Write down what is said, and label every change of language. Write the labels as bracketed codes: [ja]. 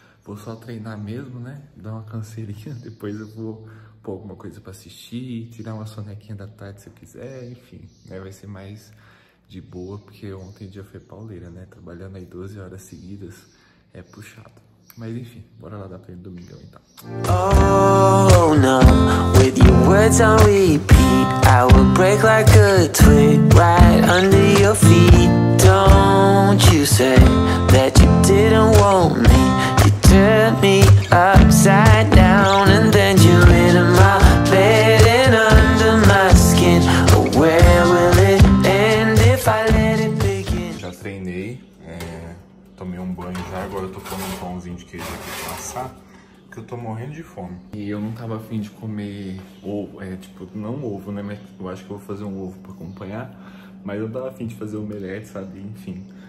[pt] Vou só treinar mesmo, né? Dar uma canseirinha, depois eu vou pôr alguma coisa pra assistir, tirar uma sonequinha da tarde se eu quiser, enfim. Né? Vai ser mais de boa, porque ontem o dia foi pauleira, né? Trabalhando aí 12 horas seguidas é puxado. Mas enfim, bora lá dar pra ele domingão então. [en] Oh no, with your words on repeat, I will break like a twig right under your feet. Don't you say that you didn't want me. You turned me upside down and then you lit in my bed and under my skin. Where will it end if I let it begin? [pt] Já treinei, tomei um banho já, agora eu tô comendo um pãozinho de queijo aqui pra assar. Que eu tô morrendo de fome. E eu não tava afim de comer ovo, tipo, não ovo, né? Mas eu acho que eu vou fazer um ovo pra acompanhar. Mas eu tava afim de fazer omelete, sabe? Enfim.